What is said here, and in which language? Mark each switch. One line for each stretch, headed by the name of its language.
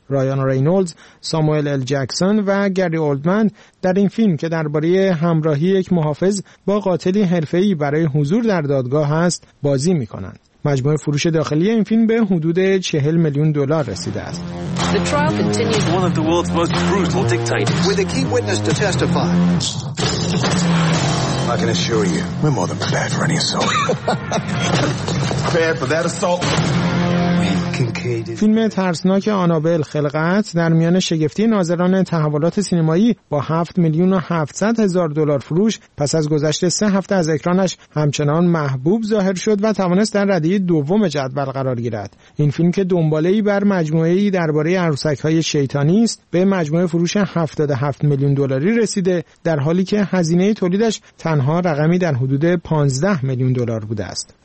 Persian: رایان رینولدز، ساموئل ال جکسون و گری اولدمن در این فیلم که درباره همراهی یک محافظ با قاتلی حرفه‌ای برای حضور در دادگاه است بازی می‌کنند. مجموع فروش داخلی این فیلم به حدود 40 میلیون دلار رسیده است.
English: The trial continues. One of the world's most brutal dictators. With a key witness to testify. I can assure you, we're more than prepared for any assault. Prepared for that assault.
Persian: فیلم ترسناک آنابل خلقت در میان شگفتی ناظران تحولات سینمایی با 7,700,000 فروش پس از گذشت 3 از اکرانش همچنان محبوب ظاهر شد و توانست در ردیه دوم جدول قرار گیرد. این فیلم که دنباله‌ای بر مجموعه‌ای درباره عروسک‌های شیطانی است به مجموعه فروش 77 میلیون دلاری رسیده، در حالی که هزینه تولیدش تنها رقمی در حدود 15 میلیون دلار بوده است.